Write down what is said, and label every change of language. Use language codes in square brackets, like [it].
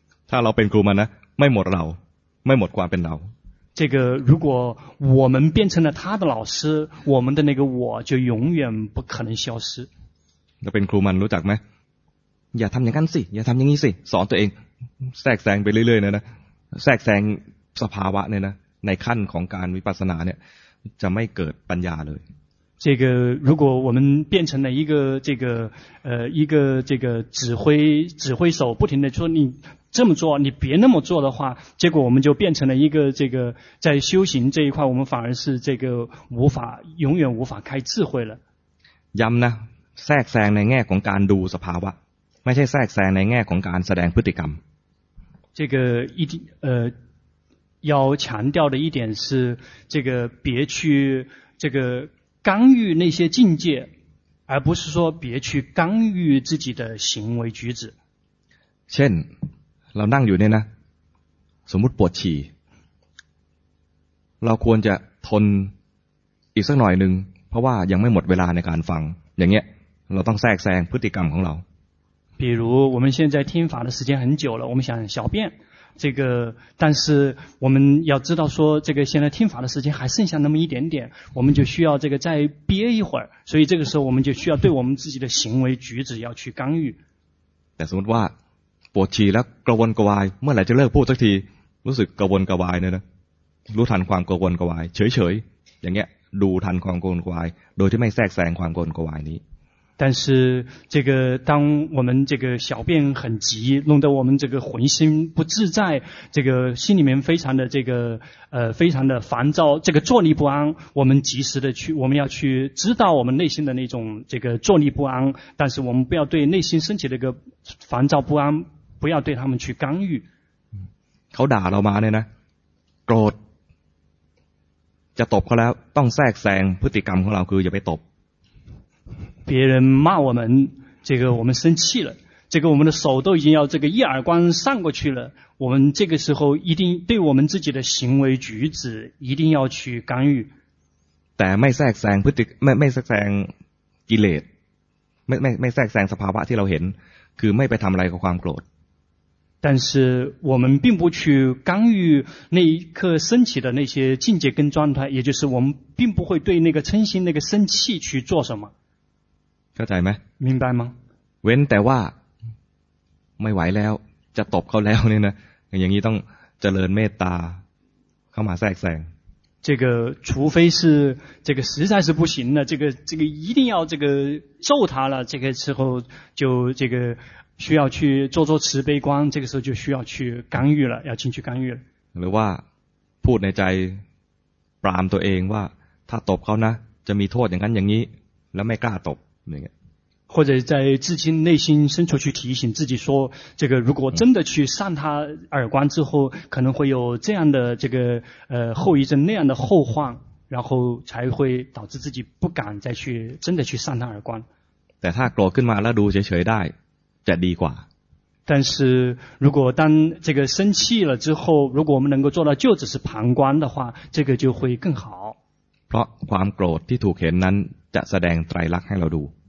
[th] ถ้าเราเป็นครูมันนะไม่หมดเราไม่หมดความเป็นเรา [zh] 这个如果我们变成了他的老师我们的那个我就永远不可能消失 [th] เราเป็นครูมันรู้จักไหมอย่าทำอย่างนั้นสิอย่าทำอย่างนี้สิสอนตัวเองแทรกแซงไปเรื่อยๆนะแทรกแซงสภาวะเนี่ยนะในขั้นของการวิปัสสนาเนี่ยจะไม่เกิดปัญญาเลย [zh] 这个如果我们变成了一个指挥手不停的说你这么做你别那么做的话结果我们就变成了一个这个在修行这一块我们反而是这个无法永远无法开智慧了 [th] ย้ำนะแทรกแซงในแง่ของการดูสภาวะไม่ใช่แทรกแซงในแง่ของการแสดงพฤติกรรม [zh] 这个一定要强调的一点是这个别去这个干预那些境界而不是说别去干预自己的行为举止 [th] เช่นเรานั่งอยู่เนี่ยนะสมมุติปวดฉี่เราควรจะทนอีกสักหน่อยนึงเพราะว่ายังไม่หมดเวลาในการฟังอย่างเงี้ยเราต้องแทรกแซงพฤติกรรมของเรา [zh] 比如我们现在听法的时间很久了我们想小便这个但是我们要知道说这个现在听法的时间还剩下那么一点点我们就需要这个再憋一会儿所以这个时候我们就需要对我们自己的行为举止要去干预 [th] แต่สมมติว่าปวดฉี่แล้วกระวนกระวายเมื่อไหร่จะเลิกพูดสักทีรู้สึกกระวนกระวายเนี่ยนะรู้ทันความกระวนกระวายเฉยๆอย่างเงี้ยดูทันความกระวนกระวายโดยที่ไม่แทรกแซงความกระวนกระวายนี้ [zh] 但是这个当我们这个小便很急弄得我们这个浑身不自在这个心里面非常的这个非常的烦躁这个坐立不安我们及时的去我们要去知道我们内心的那种这个坐立不安但是我们不要对内心升起的一个烦躁不安不要对他们去干预。 [th] เขาด่าเรามาเนี่ยนะโกรธจะตบเขาแล้วต้องแทรกแซงพฤติกรรมของเราคืออย่าไปตบ [zh] 别人骂我们这个我们生气了这个我们的手都已经要这个一耳光上过去了我们这个时候一定对我们自己的行为举止一定要去干预 [th] แต่ไม่แทรกแซงพฤติไม่แทรกแซงกิเลสไม่แทรกแซงสภาวะที่เราเห็นคือไม่ไปทำอะไรกับความโกรธ [zh] 但是我们并不去干预那一刻升起的那些境界跟状态也就是我们并不会对那个嗔心那个生气去做什么 [th] เข้าใจไหม [zh] 明白吗 [th] เว้นแต่ว่าไม่ไหวแล้วจะตบเขาแล้วเนี่ยนะอย่างนี้ต้องเจริญเมตตาเข้ามาแทรกแซง [zh] 这个除非是这个实在是不行了这个一定要这个揍他了这个时候就这个需要去做慈悲观这个时候就需要去干预了要进去干预了 [th] หรือว่าพูดในใจปรามตัวเองว่าถ้าตบเขานะจะมีโทษอย่างนั้นอย่างนี้แล้วไม่กล้าตบอย่างเงี้ย [zh] 或者在自己内心深处去提醒自己说这个如果真的去扇他耳光之后可能会有这样的这个后遗症那样的后患然后才会导致自己不敢再去真的去扇他耳光 [th] แต่ถ้าโกรธขึ้นมาแล้วดูเฉยๆได้จะดีกว่า [zh] 但是如果当这个生气了之后，如果我们能够做到就只是旁观的话，这个就会更好。 [th] เพราะความโกรธที่ถูกเห็นนั้นจะแสดงไตรลักษณ์ให้เราดู。